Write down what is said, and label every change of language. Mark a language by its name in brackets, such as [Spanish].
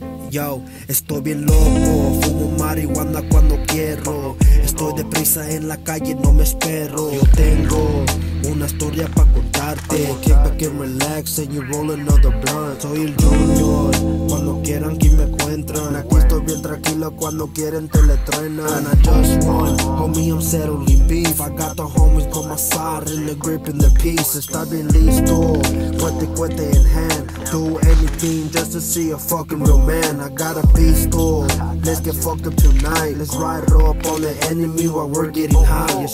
[Spanish] Yo, estoy bien loco, fumo marihuana cuando quiero. Estoy deprisa en la calle, no me espero. Yo tengo una historia pa' contarte. [English] Kick back and relax and you roll another blunt. [Spanish] Soy el Junior, cuando quieran aquí me encuentran. Aquí estoy bien tranquilo, cuando quieren te le trenan. [English] And I just run, homie I'm settling beef. I got the homies on my side and the grip and the peace. [Spanish] Está bien listo, cuete cuete [English] in hand. Do anything just to see a fucking real man. I got a pistol, let's get fucked up tonight. Let's ride up on the enemy while we're getting high.